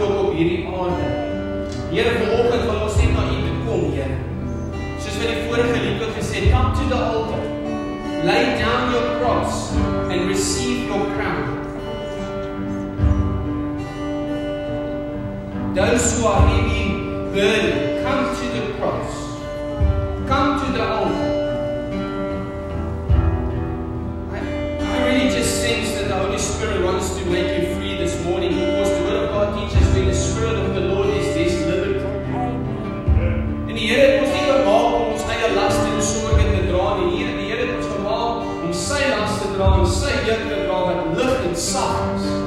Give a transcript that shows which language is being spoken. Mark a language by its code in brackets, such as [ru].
[af] ogen van ons niet naar u toe kom, Heer. Soos wat die vorige lied ook gesê, [en] come to the altar. Lay down your cross and receive your crown. Those who are heavy burden, come to the cross. Come to the altar. I really just sense that the Holy Spirit wants to make you free this morning, because the Word of God teaches when the Spirit of the Lord is this liberty. And the [af] Heer [en] was not [af] gemaak om ons eie las en sorg te dra nie. Nee, die Heer was gemaak om sy las te dra, om sy juk te dra wat lig en sag is.